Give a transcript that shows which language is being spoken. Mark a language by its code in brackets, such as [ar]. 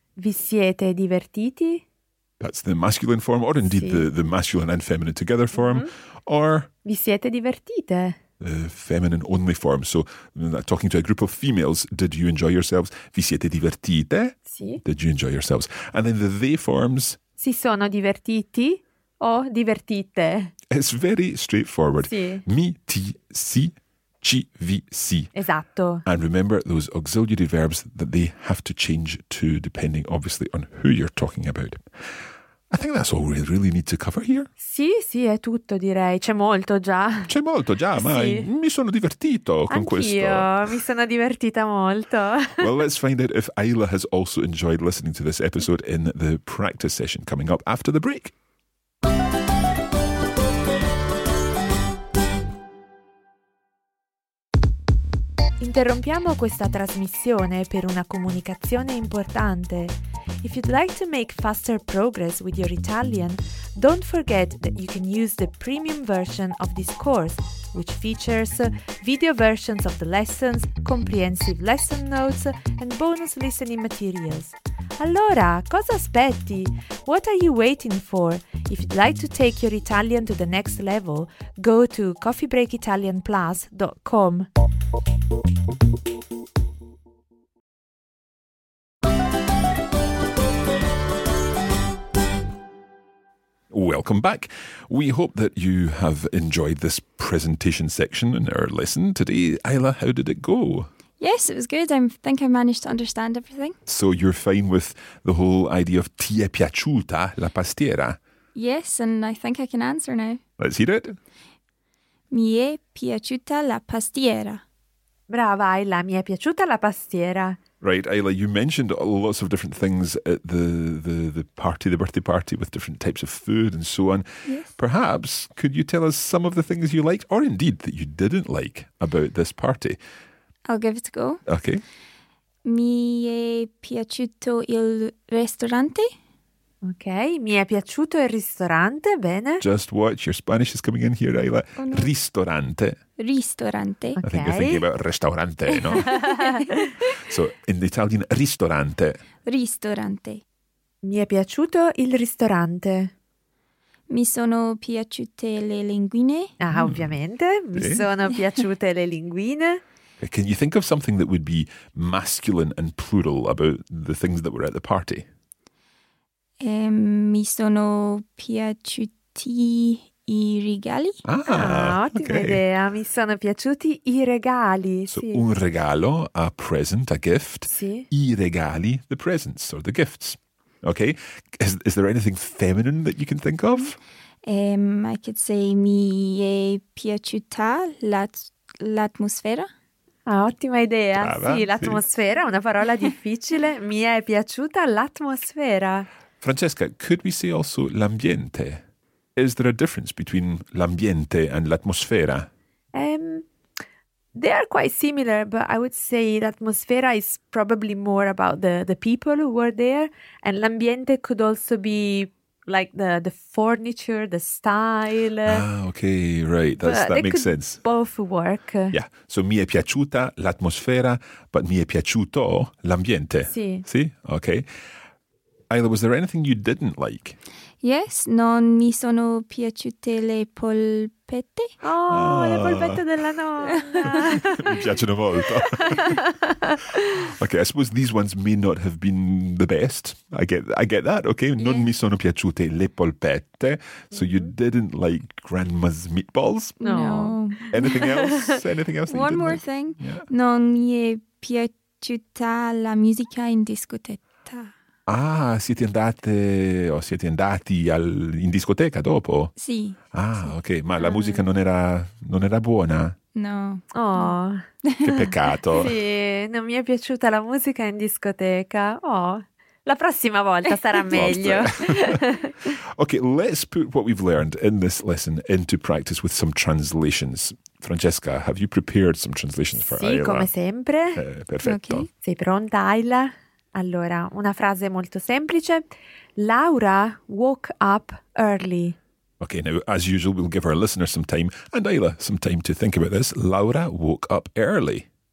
[it] Vi siete divertiti. [en] That's the masculine form, or indeed the masculine and feminine together form. Mm-hmm. Or [it] vi siete divertite. [en] The feminine only form. So talking to a group of females, did you enjoy yourselves? [it] Vi siete divertite? Sì. [en] Did you enjoy yourselves? And then the they forms. [it] Si sono divertiti o divertite. [en] It's very straightforward. [it] Sì. Mi, ti, si, ci, vi, si. Esatto. [en] And remember those auxiliary verbs that they have to change to depending obviously on who you're talking about. I think that's all we really need to cover here. [it] Sì, sì, è tutto, direi. C'è molto già. C'è molto già, ma sì. Mi sono divertito con Anch'io, questo. Anch'io, mi sono divertita molto. [en] Well, let's find out if Ayla has also enjoyed listening to this episode in the practice session coming up after the break. [it] Interrompiamo questa trasmissione per una comunicazione importante. [en] If you'd like to make faster progress with your Italian, don't forget that you can use the premium version of this course, which features video versions of the lessons, comprehensive lesson notes, and bonus listening materials. [it] Allora, cosa aspetti? [en] What are you waiting for? If you'd like to take your Italian to the next level, go to coffeebreakitalianplus.com. Welcome back. We hope that you have enjoyed this presentation section in our lesson today. Ayla, how did it go? Yes, it was good. I think I managed to understand everything. So you're fine with the whole idea of ti è piaciuta la pastiera? Yes, and I think I can answer now. Let's hear it. [it] Mi è piaciuta la pastiera. Brava Ayla, mi è piaciuta la pastiera. [en] Right, Ayla, you mentioned lots of different things at the party, the birthday party, with different types of food and so on. Yes. Perhaps, could you tell us some of the things you liked, or indeed that you didn't like, about this party? I'll give it a go. Okay. [it] Mi è piaciuto il ristorante. Okay, mi è piaciuto il ristorante, bene. [en] Just watch, your Spanish is coming in here, Ayla. Oh, no. [it] Ristorante. Ristorante. [en] Okay. I think you're thinking about restaurante, no? So, in Italian, ristorante. [it] Ristorante. Mi è piaciuto il ristorante. Mi sono piaciute le linguine. Ah, ovviamente, mi sono piaciute le linguine. [en] Can you think of something that would be masculine and plural about the things that were at the party? [it] Mi sono piaciuti i regali. Ah, ottima [en] okay. [it] idea. Mi sono piaciuti i regali. [en] So [it] sì. Un regalo, [en] a present, a gift. [it] Sì. I regali, [en] the presents or the gifts. Okay. Is there anything feminine that you can think of? I could say [it] mi è piaciuta l'atmosfera. Ah, ottima idea. Brava, sì, l'atmosfera, sì. Una parola difficile. Mi è piaciuta l'atmosfera. [en] Francesca, could we say also l'ambiente? Is there a difference between l'ambiente and l'atmosfera? They are quite similar, but I would say l'atmosfera is probably more about the people who were there. And l'ambiente could also be like the furniture, the style. Ah, okay, right. That makes sense. Both work. Yeah. [it] So mi è piaciuta l'atmosfera, but mi è piaciuto l'ambiente. Sì. Sì? Okay. [en] Ayla, was there anything you didn't like? [it] Yes, non mi sono piaciute le polpette. Oh, le polpette della nonna. Mi piacciono molto. [en] Okay, I suppose these ones may not have been the best. I get that, okay? [it] Non mi sono piaciute le polpette. [en] So you didn't like grandma's meatballs? No. Anything else? Anything else that One you didn't more like? Thing. Yeah. [it] Non mi è piaciuta la musica in discoteca. Ah, siete andate o siete andati in discoteca dopo? Sì. Ah, sì. Ok, ma la musica non era buona? No. Oh. Che peccato. Sì, non mi è piaciuta la musica in discoteca. Oh. La prossima volta sarà meglio. [en] Okay, let's put what we've learned in this lesson into practice with some translations. Francesca, have you prepared some translations for Ayla? [it] Sì, come sempre. Perfetto. Okay. Sei pronta, Ayla? Allora, una frase molto semplice. [en] Laura woke up early. Okay, now, as usual, we'll give our listeners some time and Ayla some time to think about this. Laura woke up early.